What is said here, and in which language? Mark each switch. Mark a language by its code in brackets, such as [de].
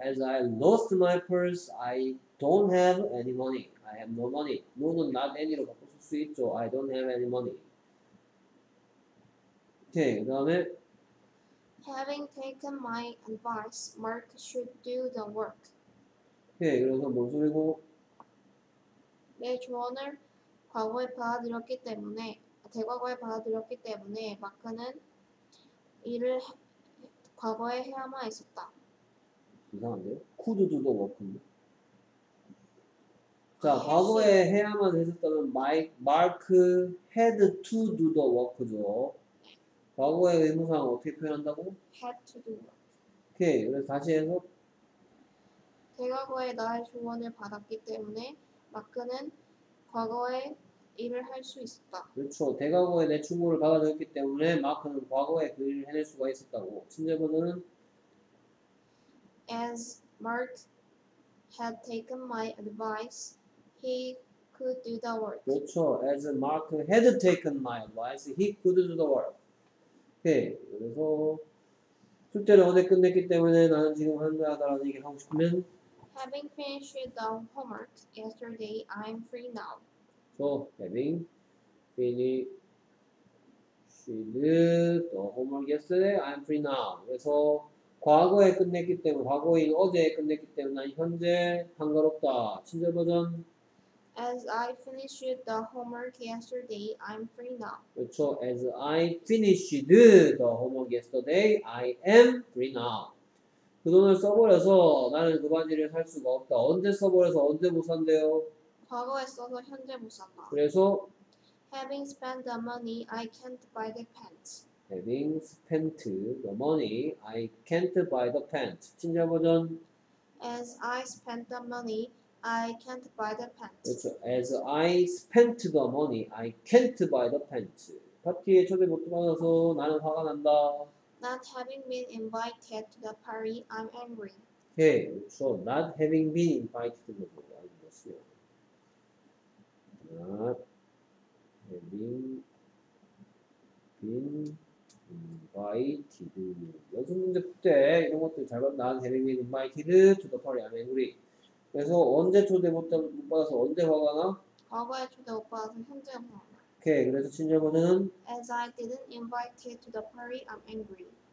[en] As I lost my purse, I don't have any money. I have no money. [ko] No는 not any로 바꿀 수 있죠. [en] I don't have any money. [ko] 오케이, 그 다음에 [en] Having taken my advice, Mark should do the work. [ko] 오케이, 그래서 뭔 소리고? 내 조언을 과거에 받아들였기 때문에 대과거에 받아들였기 때문에 마크는 일을 과거에 해야만 했었다. 이상한데요? [en] Could do the work인데? [ko] 자, 과거에 해야만 했었다면 [en] Mark had to do the work죠. [ko] 과거의 의무상 어떻게 표현한다고? [en] Had to do. [ko] 오케이, 그래서 다시 해서 대과거에 나의 조언을 받았기 때문에 마크는 과거에 일을 할 수 있었다. 그렇죠. 대과거에 내 충고를 받아들였기 때문에 마크는 과거에 그 일을 해낼 수가 있었다고. 친절번호는 [en] As Mark had taken my advice, he could do the work. [ko] 그렇죠. [en] As Mark had taken my advice, he could do the work. [ko] 오케이, 그래서 숙제를 어제 끝냈기 때문에 나는 지금 한다라는 얘기 하고 싶으면 [en] Having finished the homework yesterday, I'm free now. So, having finished the homework yesterday, I'm free now. [ko] 그래서 과거에 끝냈기 때문에, 과거인 어제 끝냈기 때문에 난 현재 한가롭다. 친절 버전. [en] As I finished the homework yesterday, I'm free now. [ko] 그렇죠. [en] As I finished the homework yesterday, I am free now. [ko] 그 돈을 써버려서 나는 그 바지를 살 수가 없다. 언제 써버려서 언제 못 산대요? 과거에 써서 현재 못 산다. 그래서 [en] Having spent the money, I can't buy the pants. Having spent the money, I can't buy the pants. [ko] 친절 버전 [en] As I spent the money, I can't buy the pants. [ko] 그렇죠. [en] As I spent the money, I can't buy the pants. [ko] 파티에 초대 못 받아서 나는 화가 난다. [en] Not having been invited to the party, I'm angry. Okay, so not having been invited to the party, I'm angry. Not having been invited. [ko] 연습 문제 풀 때 이런 것들 잘 봐. [en] Not having been invited to the party, I'm angry. [ko] 그래서 언제 초대 못 받아서 언제 화가 나? 과거에 초대 못 받아서 현재 화가 나. 오케이, 그래서 친절 버전은? [en] As I didn't invite you to the party, I'm angry.